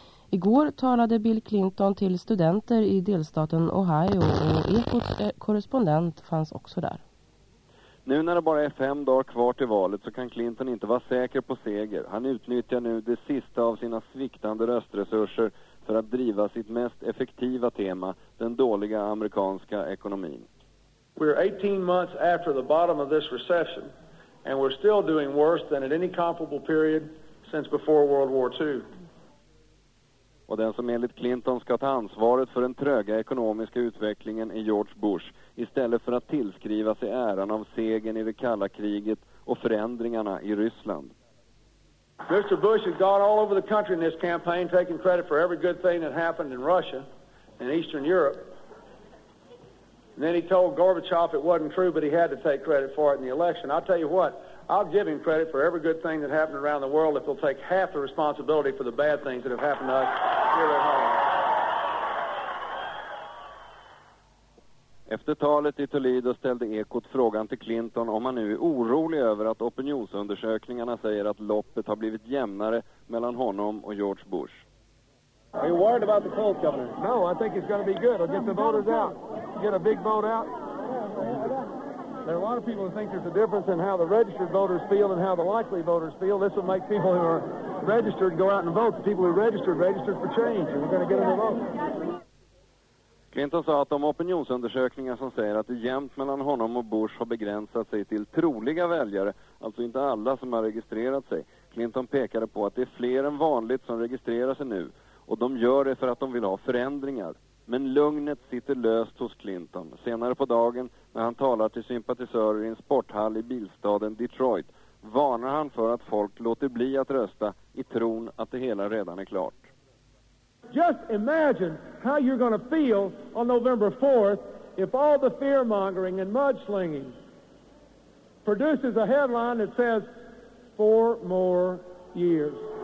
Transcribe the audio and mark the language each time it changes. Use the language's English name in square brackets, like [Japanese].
[Swedish] Igår talade Bill Clinton till studenter i delstaten Ohio och Ekots korrespondent fanns också där. Nu när det bara är fem dagar kvar till valet så kan Clinton inte vara säker på seger. Han utnyttjar nu det sista av sina sviktande röstresurser för att driva sitt mest effektiva tema, den dåliga amerikanska ekonomin. [English] We're 18 months after the bottom of this recession and we're still doing worse than at any comparable period since before World War II. [Swedish] Och den som enligt Clinton ska ta ansvaret för den tröga ekonomiska utvecklingen är George Bush, istället för att tillskriva sig äran av segern i det kalla kriget och förändringarna i Ryssland. [English] Mr. Bush has gone all over the country in this campaign taking credit for every good thing that happened in Russia and Eastern Europe. And then he told Gorbachev it wasn't true, but he had to take credit for it in the election. I'll tell you what, I'll give him credit for every good thing that happened around the world if he'll take half the responsibility for the bad things that have happened to us here at home. [Swedish] Efter talet i Toledo ställde Ekot frågan till Clinton om han nu är orolig över att opinionsundersökningarna säger att loppet har blivit jämnare mellan honom och George Bush. [English] Are you worried about the polls, Governor? No, I think it's going to be good. I'll get the voters out. Get a big vote out. There are a lot of people who think there's a difference in how the registered voters feel and how the likely voters feel. This will make people who are registered go out and vote. The people who registered for change. And we're going to get them to vote. [Swedish] Clinton sa att de opinionsundersökningar som säger att det jämnt mellan honom och Bush har begränsat sig till troliga väljare, alltså inte alla som har registrerat sig. Clinton pekade på att det är fler än vanligt som registrerar sig nu, och de gör det för att de vill ha förändringar. Men lugnet sitter löst hos Clinton. Senare på dagen, när han talar till sympatisörer i en sporthall i bilstaden Detroit, varnar han för att folk låter bli att rösta i tron att det hela redan är klart. [English] Just imagine how you're going to feel on November 4th if all the fear-mongering and mudslinging produces a headline that says, four more years.